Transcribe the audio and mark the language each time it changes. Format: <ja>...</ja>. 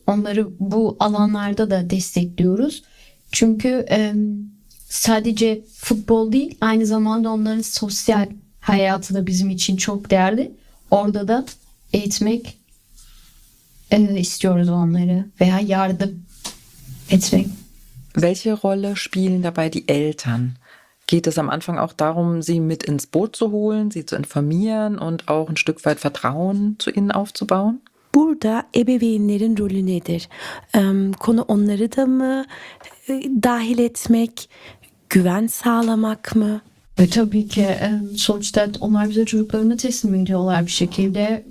<tr>Onları bu alanlarda da destekliyoruz. Çünkü sadece futbol değil, aynı zamanda onların sosyal hayatı da bizim için çok değerli. Orada da eğitmek istiyoruz onları veya yardım etmek.</tr> <de>Welche Rolle spielen dabei die Eltern? Geht es am Anfang auch darum, sie mit ins Boot zu holen, sie zu informieren und auch ein Stück weit Vertrauen zu ihnen aufzubauen?</de> <tr>Burada ebeveynlerin rolü nedir? Konu onları da mı dahil etmek, güven sağlamak mı? Tabii ki sonuçta onlar bize çocuklarını teslim ediyorlar bir şekilde.</tr>